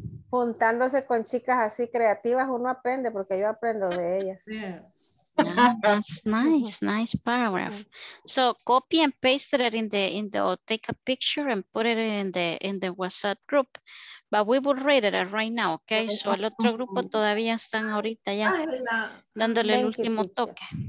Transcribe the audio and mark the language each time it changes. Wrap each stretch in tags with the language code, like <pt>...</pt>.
<es>Juntándose con chicas así creativas, uno aprende, porque yo aprendo de ellas.</es> <en>Yes. That's nice, nice paragraph. So copy and paste it in the or take a picture and put it in the WhatsApp group. But we will read it right now, okay?</en> <es>So el otro grupo todavía están ahorita ya dándole el último toque.</es>